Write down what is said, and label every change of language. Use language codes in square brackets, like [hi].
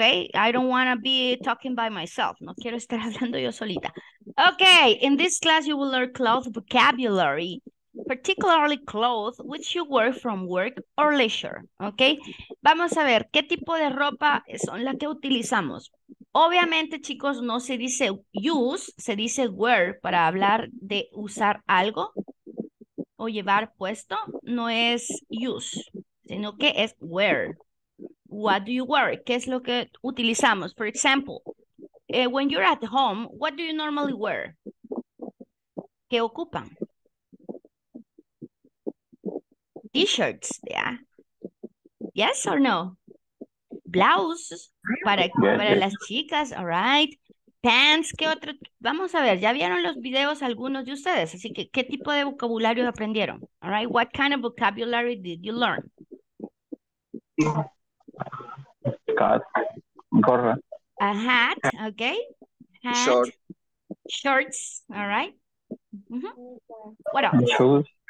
[en] I don't want to be talking by myself. [es] No quiero estar hablando yo solita. [en] Okay, in this class you will learn cloth vocabulary, particularly cloth which you wear from work or leisure. [es] Okay, vamos a ver qué tipo de ropa son las que utilizamos. Obviamente, chicos, no se dice use, se dice wear para hablar de usar algo o llevar puesto. No es use, sino que es wear. [en] What do you wear? [es] ¿Qué es lo que utilizamos? [en] For example, when you're at home, what do you normally wear? [es] ¿Qué ocupan? [en] T-shirts, ¿ya? ¿Yes or no? [es] Blouse para las chicas, [en] all right. [es] Pants, ¿qué otro? Vamos a ver, ya vieron los videos algunos de ustedes, así que ¿qué tipo de vocabulario aprendieron? [en] All right, what kind of vocabulary did you learn? [es] Gorra, [en] A hat, okay. Hat, short, shorts, all right. What else? shoes.